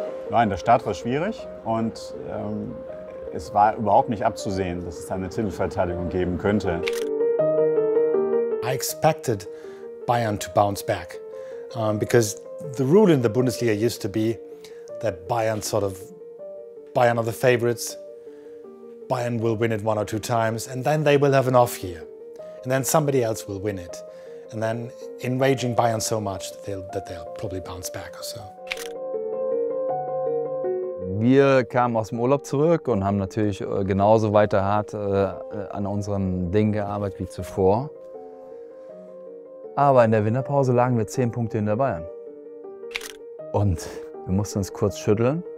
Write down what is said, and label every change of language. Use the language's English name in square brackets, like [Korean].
[German] Nein, der Start war schwierig und es war überhaupt nicht abzusehen, dass es eine Titelverteidigung geben könnte. [English] I expected Bayern to bounce back because the rule in the Bundesliga used to be that Bayern are the favorites. Bayern will win it one or two times and then they will have an off year. And then somebody else will win it. And then enraging Bayern so much that they'll probably bounce back or so. [German] Wir kamen aus dem Urlaub zurück und haben natürlich genauso weiter hart an unseren Dingen gearbeitet wie zuvor. Aber in der Winterpause lagen wir 10 Punkte hinter Bayern. Und wir mussten uns kurz schütteln.